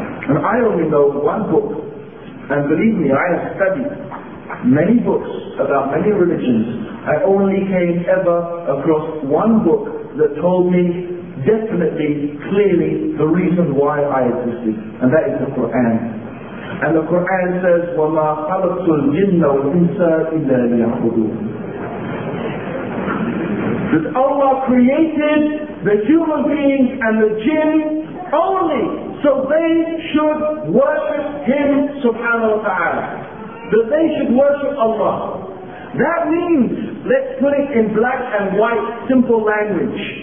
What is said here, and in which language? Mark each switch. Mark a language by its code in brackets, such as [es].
[en] And I only know one book, and believe me, I have studied many books about many religions. I only came ever across one book that told me definitely, clearly, the reason why I existed, and that is the Quran. [ar] And the Quran says, وَمَا خَلَقْتُ الْجِنَّ وَالْإِنسَ إِلَّا لِيَعْبُدُونَ. [en] That Allah created the human beings and the jinn only so they should worship Him subhanahu wa ta'ala. That they should worship Allah. That means, let's put it in black and white, simple language.